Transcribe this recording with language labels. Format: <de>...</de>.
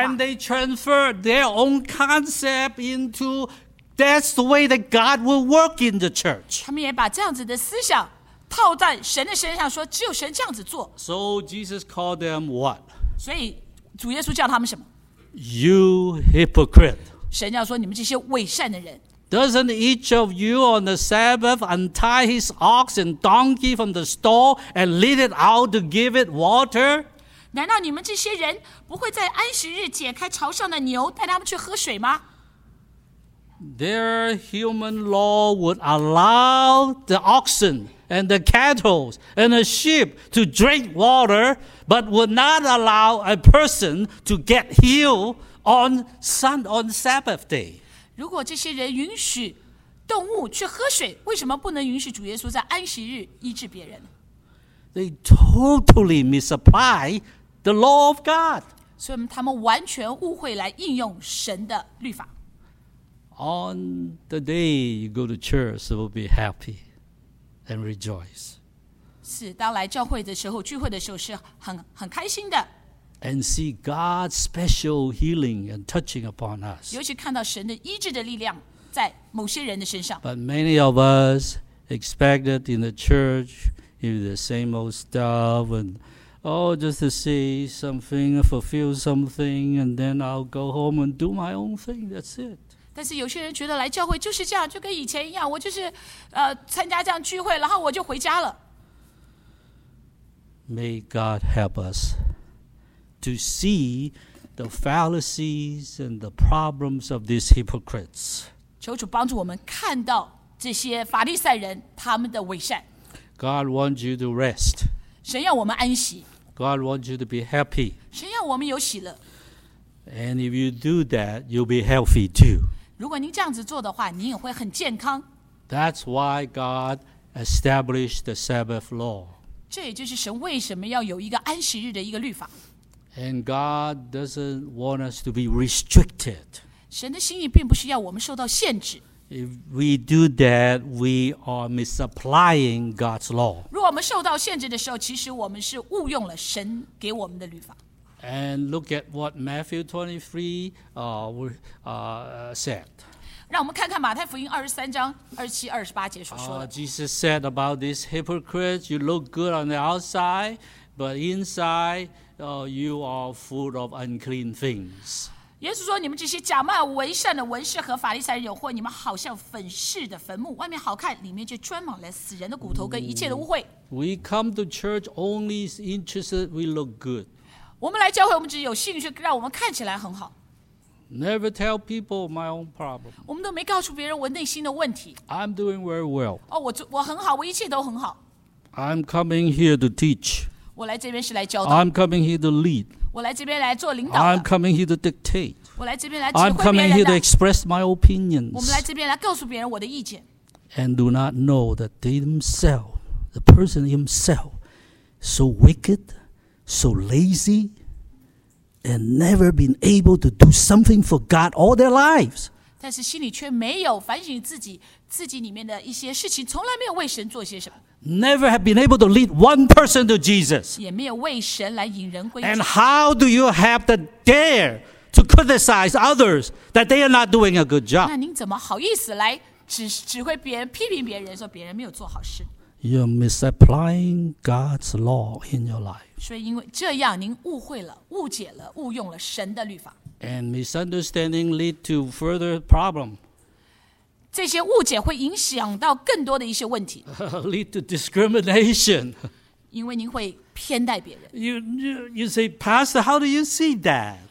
<en>And they transfer their own concept into. That's the way that God will work in the church.</en> <zh>他们也把这样子的思想套在神的身上，说只有神这样子做。</zh> <en>So Jesus called them what?</en> <zh>所以主耶稣叫他们什么？</zh> <en>You hypocrite.</en> <zh>神要说你们这些伪善的人。</zh> <en>Doesn't each of you on the Sabbath untie his ox and donkey from the stall and lead it out to give it water?</en> <zh>难道你们这些人不会在安息日解开槽上的牛，带他们去喝水吗？</zh> <en>Their human law would allow the oxen and the cattle and the sheep to drink water, but would not allow a person to get healed on Sabbath day.</en> <zh>如果这些人允许动物去喝水，为什么不能允许主耶稣在安息日医治别人？</zh> <en>They totally misapply the law of God.</en> <zh>所以他们完全误会来应用神的律法。</zh> <en>On the day you go to church, you will be happy and rejoice.</en> <zh>是，当来教会的时候，聚会的时候是很开心的。</zh> <en>And see God's special healing and touching upon us.</en> <zh>尤其看到神的医治的力量在某些人的身上。</zh> <en>But many of us expect it in the church, in the same old stuff, and oh, just to see something, fulfill something, and then I'll go home and do my own thing. That's it.</en> <zh>但是有些人觉得来教会就是这样，就跟以前一样，我就是参加这样聚会，然后我就回家了。</zh> <en>May God help us to see the fallacies and the problems of these hypocrites.</en> <zh>求主帮助我们看到这些法利赛人他们的伪善。</zh> <en>God wants you to rest.</en> <zh>神要我们安息。</zh> <en>God wants you to be happy.</en> <zh>神要我们有喜乐。</zh> <en>And if you do that, you'll be healthy too.</en> <zh>如果您这样子做的话，您也会很健康。</zh> <en>That's why God established the Sabbath law.</en> <zh>这也就是神为什么要有一个安息日的一个律法。</zh> <en>And God doesn't want us to be restricted.</en> <zh>神的心意并不是要我们受到限制。</zh> <en>If we do that, we are misapplying God's law.</en> <zh>如果我们受到限制的时候，其实我们是误用了神给我们的律法。</zh> <en>And look at what Matthew 23 said.</en> <zh>让我们看看马太福音23章27、28节所说的。</zh> <en>Jesus said about these hypocrites, you look good on the outside, but inside, you are full of unclean things.</en> <zh>耶稣说你们这些假冒为善的文士和法利赛人有祸，你们好像粉饰的坟墓，外面好看，里面就装满了死人的骨头跟一切的污秽。</zh> <en>We come to church only interested we look good.</en> <zh>我们来教会，我们只有兴趣让我们看起来很好。</zh> <en>Never tell people my own problem.</en> <zh>我们都没告诉别人我内心的问题。</zh> <en>I'm doing very well.</en> <zh>我很好，我一切都很好。</zh> <en>I'm coming here to teach.</en> <zh>我来这边是来教导。</zh> <en>I'm coming here to lead.</en> <zh>我来这边来做领导的。</zh> <en>I'm coming here to dictate.</en> <zh>我来这边来指挥别人的。</zh> <en>I'm coming here to express my opinions.</en> <zh>我们来这边来告诉别人我的意见。</zh> <en>And do not know that themselves, the person himself, so wicked, so lazy. And never been able to do something for God all their lives.</en> <zh>但是心里却没有反省自己里面的一些事情，从来没有为神做些什么。</zh> <en>Never have been able to lead one person to Jesus.</en> <zh>也没有为神来引人归。</zh> <en>And how do you have the dare to criticize others that they are not doing a good job?</en> <zh>那您怎么好意思来指挥别人、批评别人，说别人没有做好事？</zh> <en>You're misapplying God's law in your life.</en> <zh>所以因为这样您误会了误解了误用了神的律法。</zh> <en>And misunderstanding lead to further problem.</en> <zh>这些误解会影响到更多的一些问题。</zh> <en>Lead to discrimination.</en> <zh>因为您会偏待别人。</zh> <en>You say, Pastor, how do you see that?</en>